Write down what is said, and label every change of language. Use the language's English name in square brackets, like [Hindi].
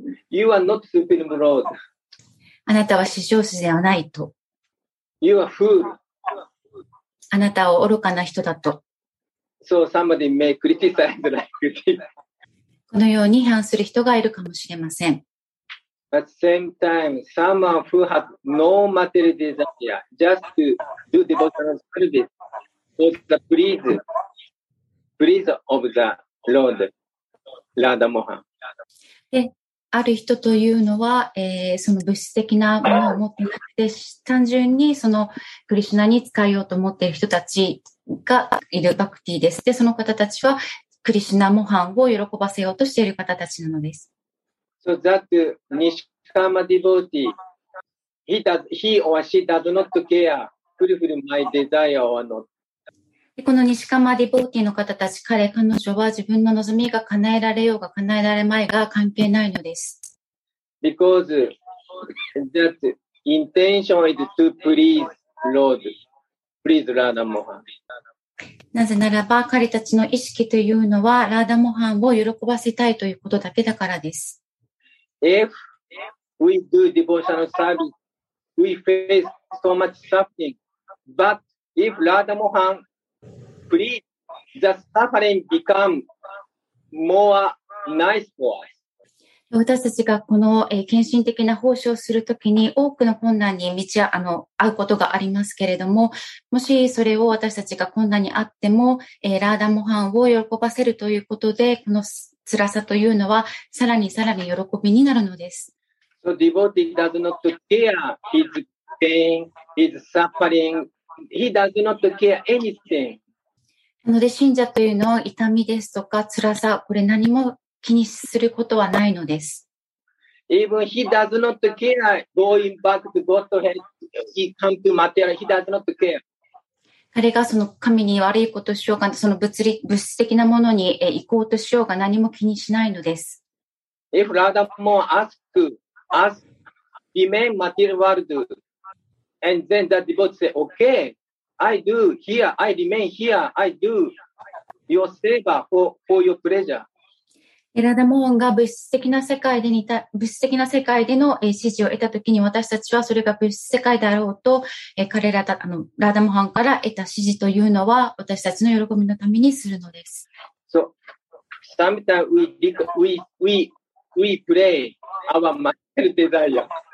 [English] You are not supreme lord. [Japanese] あなたは至上主ではないと。 [English] You are fool. [Japanese] あなたは愚かな人だと。 [English] So somebody may criticize like this. [Japanese] このように批判する人がいるかもしれません。 [English] At the same time, someone who has no material desire just to do devotional service was the pleasure of the Lord, Radha Mohan. [Japanese] ある人というのは、その物質的なものを持っていなくて、単純にそのクリシュナに使いようと思っている人たちがいるバクティです。で、その方たちはクリシュナモハンを喜ばせようとしている方たちなのです。 [English] So that Nishkama devotee, he or she does not care fulfill my desire or not. [Japanese] この [English] Nishkama devotee [Japanese] の方たち、彼、彼女は自分の望みが叶えられようが叶えられまいが関係ないのです。 Because that intention is to please Lord. Please, Radha Mohan. なぜならば彼たちの意識というのは、ラーダモハンを喜ばせたいということだけだからです。 [English] If we do devotional service, we face so much suffering. But if Radha Mohan please, the suffering become more nice for us. [Japanese] 私たちがこの献身的な奉仕をするときに多くの困難に遭うことがありますけれども、もしそれを私たちが困難にあっても、ラーダモハンを喜ばせるということで、この辛さというのはさらにさらに喜びになるのです。 [English] So devotee does not care his pain, his suffering. He does not care anything. [Japanese] なので信者というのは痛みですとか辛さ、これ何も気にすることはないのです。 [English] Even he does not care going back to Godhead, he come to material, he does not care. [Japanese] 彼がその神に悪いことしようか、その物質的なものに行こうとしようが何も気にしないのです。 [English] If Radha Mohan ask us remain material world, and then the devotee say, okay, I do here, I remain here, I do your seva for your pleasure. [Japanese] エラダモーンが物質的な世界での支持を得たときに、私たちはそれが物質世界であろうと、彼らと、ラダモハンから得た支持というのは、私たちの喜びのためにするのです。 [English] So, sometimes we pray our material desire.